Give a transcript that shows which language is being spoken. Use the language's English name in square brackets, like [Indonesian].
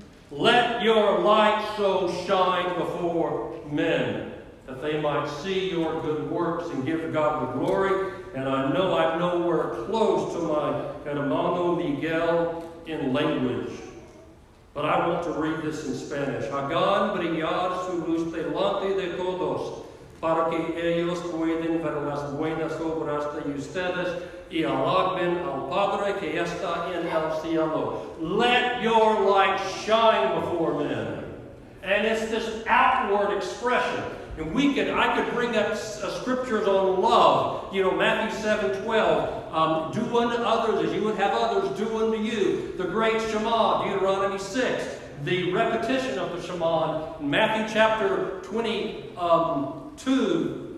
[English] Let your light so shine before men that they might see your good works and give God the glory. And I know I'm nowhere close to my hermano Miguel in language, but I want to read this in Spanish. [Spanish] Hagan brillar su luz delante de todos para que ellos puedan ver las buenas obras de ustedes y alaben al Padre que está en el cielo. [English] Let your light shine before men. And it's this outward expression. And I could bring up scriptures on love. You know, Matthew 7:12. Do unto others as you would have others do unto you. The great Shema, Deuteronomy 6. The repetition of the Shema in Matthew chapter 22.